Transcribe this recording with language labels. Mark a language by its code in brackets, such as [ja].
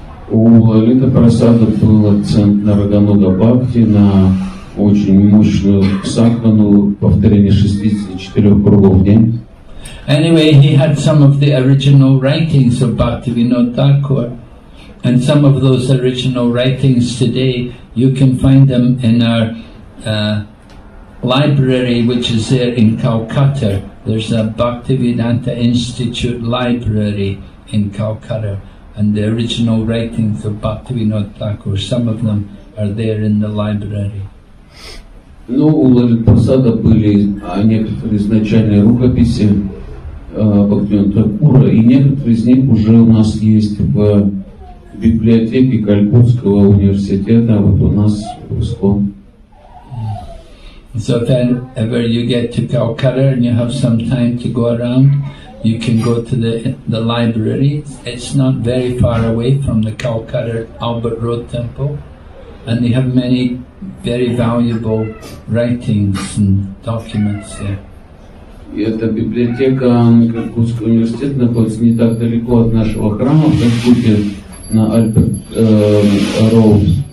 [ru] У Лалита Прасада был акцент на Рагануга Бхакти, на очень мощную садхану, повторение 64 кругов в день. [en] Anyway, he had some of the original writings of Bhaktivinoda Thakur, and some of those original writings today, you can find them in our library, which is there in Calcutta. There's a Bhaktivedanta Institute library in Calcutta, and the original writings of Bhaktivinoda Thakur, some of them are there in the library. [ru] Ну, у Лалит Прасада были некоторые изначальные рукописи Бхактивинода Такура, и некоторые из них уже у нас есть в библиотеке Калькутского университета, вот у нас в ИСККОН. [en] So if ever you get to Calcutta and you have some time to go around, you can go to the library. It's not very far away from the Calcutta Albert Road Temple, and they have many very valuable writings and documents there. [ru] И эта библиотека Калькутского университета находится не так далеко от нашего храма в Калькутте на Альберт Роуд.